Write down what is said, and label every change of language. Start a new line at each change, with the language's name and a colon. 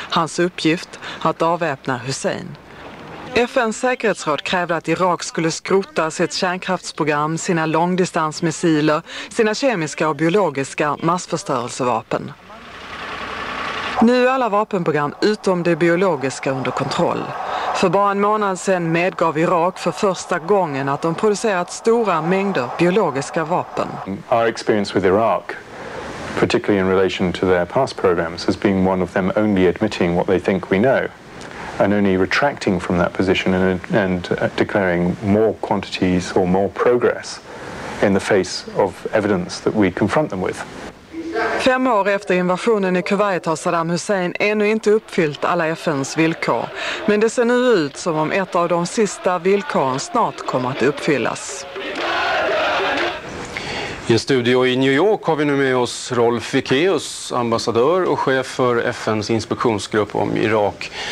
Swedish: Hans uppgift att avväpna Hussein. FNs säkerhetsråd krävde att Irak skulle skrota sitt kärnkraftsprogram, sina långdistansmissiler, sina kemiska och biologiska massförstörelsevapen. Nu är alla vapenprogram utom det biologiska under kontroll. För bara en månad sedan medgav Irak för första gången att de producerat stora mängder biologiska vapen.
English: Our experience with Iraq, particularly in relation to their past programs, has been one of them only admitting what they think we know. And only retracting from that position and declaring more quantities or more progress in the face of evidence that we confront them with.
Swedish: 5 år efter invasionen i Kuwait har Saddam Hussein ännu inte uppfyllt alla FNs villkor. Men det ser nu ut som om ett av de sista villkoren snart kommer att uppfyllas. I en studio i New York har vi nu med oss Rolf Ekéus, ambassadör och chef för FNs inspektionsgrupp om Irak.